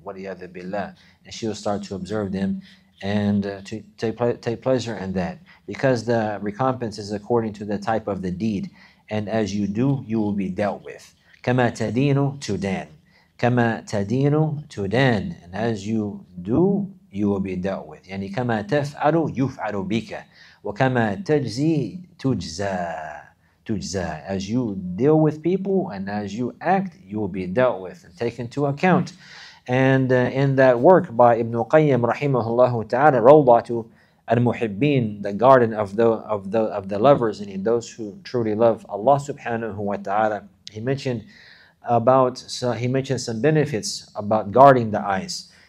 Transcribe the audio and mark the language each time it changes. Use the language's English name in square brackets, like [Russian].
[Arabic] وليأذ بالله, [English] and she will start to observe them, and to take pleasure in that, because the recompense is according to the type of the deed, and as you do, you will be dealt with. [Arabic] كما تدين تدان, كما تدين تدان, [English] and as you do, you will be dealt with. [Arabic] يعني كما تفعل يفعل بك, وكما تجزي تجزى. [English] As you deal with people and as you act, you will be dealt with and taken to account. And in that work by Ibn Qayyim rahimahullah ta'ala, Rawdatu al-Muhibbin, the garden of the lovers, and those who truly love Allah subhanahu wa ta'ala, he mentioned some benefits about guarding the eyes.